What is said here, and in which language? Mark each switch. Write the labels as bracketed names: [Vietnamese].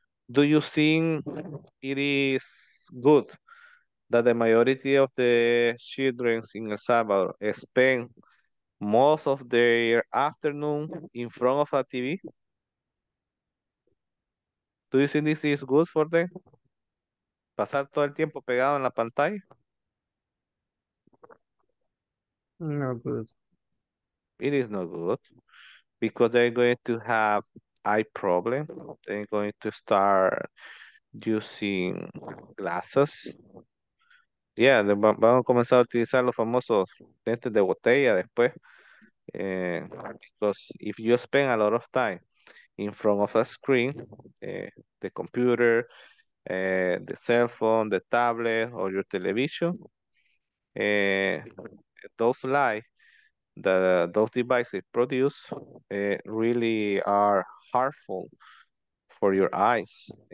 [English] Do you think it is good that the majority of the children in El Salvador spend most of their afternoon in front of a TV? Do you think this is good for them? [Spanish] ¿Pasar todo el tiempo pegado en la pantalla? [English] No good. It is not good because they're going to have eye problem. They're going to start using glasses. [Spanish] Yeah, van a comenzar a utilizar los famosos lentes de botella después. [English] Because if you spend a lot of time in front of a screen, the computer, the cell phone, the tablet, or your television, those lights that those devices produce really are harmful for your eyes.